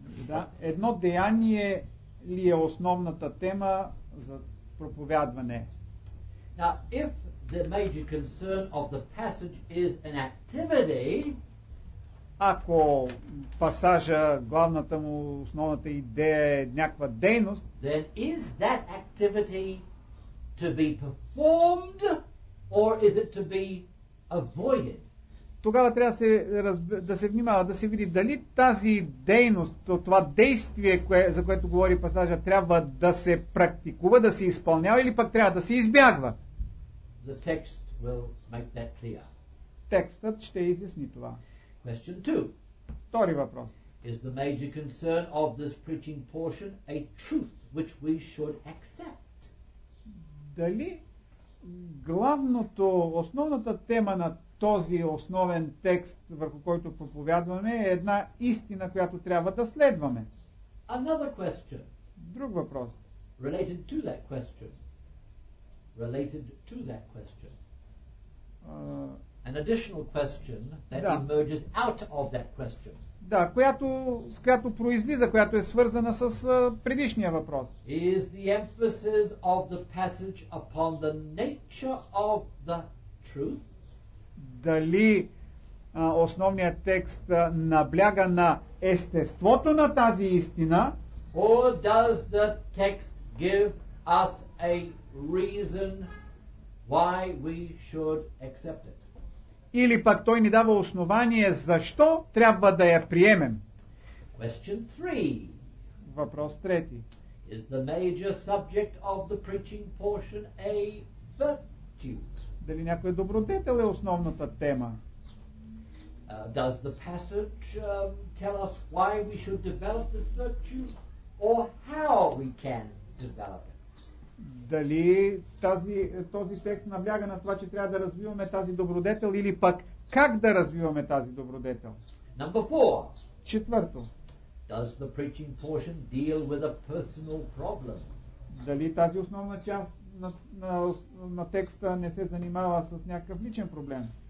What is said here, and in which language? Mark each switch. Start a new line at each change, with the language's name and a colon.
Bulgarian: Да, едно деяние ли е основната тема за проповядване?
English: Now, if the major concern of the passage is an activity,
Bulgarian: ако пасажа главната му основната идея е някаква дейност,
English: then is that activity to be performed or is it to be avoided?
Bulgarian: Тогава трябва да се внимава, да се види дали тази дейност, това действие, за което говори пасажа, трябва да се практикува, да се изпълнява или пък трябва да се избягва.
English: The text will make that clear.
Bulgarian: Текстът ще изясни това.
English: Question two.
Bulgarian: Втори въпрос.
English: Is the major concern of this preaching portion a truth which we should accept?
Bulgarian: Дали главното, основната тема на този основен текст, върху който проповядваме, е една истина, която трябва да следваме?
English: Another question.
Bulgarian: Друг въпрос.
English: Related to that question. Related to that question. An additional question that emerges out of that question.
Bulgarian: Да, която произлиза, която е свързана с предишния въпрос.
English: Is the emphasis of the passage upon the nature of the truth?
Bulgarian: Дали основният текст набляга на естеството на тази истина?
English: Or does the text give us a reason why we should accept it.
Bulgarian: Или пък той ни дава основание защо трябва да я приемем.
English: Question 3.
Bulgarian: Въпрос трети.
English: Is the major subject of the preaching portion a virtue?
Bulgarian: Дали някой добродетел е основната тема?
English: Does the passage tell us why we should develop this virtue, or how we can develop it?
Bulgarian: Дали този текст набляга на това, че трябва да развиваме тази добродетел, или пък как да развиваме тази добродетел?
English: Number four.
Bulgarian: Четвърто.
English: Does the preaching portion deal with a personal problem?
Bulgarian: Дали тази основна част на текста не се занимава с някакъв личен проблем?